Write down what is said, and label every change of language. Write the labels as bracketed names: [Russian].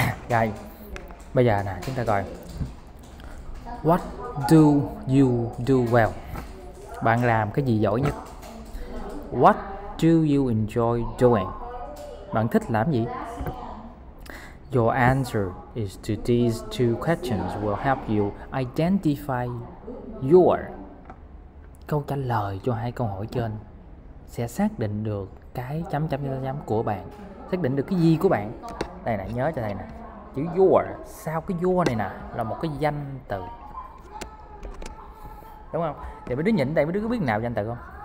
[Vietnamese] Rồi bây giờ nè, chúng ta coi [English] what do you do well, [Vietnamese] bạn làm cái gì giỏi nhất. [English] What do you enjoy doing, [Vietnamese] bạn thích làm gì? [English] Your answer is to these two questions will help you identify your. [Vietnamese] Câu trả lời cho hai câu hỏi trên sẽ xác định được cái chấm chấm chấm chấm của bạn, xác định được cái gì của bạn. Đây nè, nhớ cho thầy nè, chữ your sau cái your này nè là một cái danh từ, đúng không? Thì mấy đứa nhìn đây, mấy đứa có biết nào danh từ không?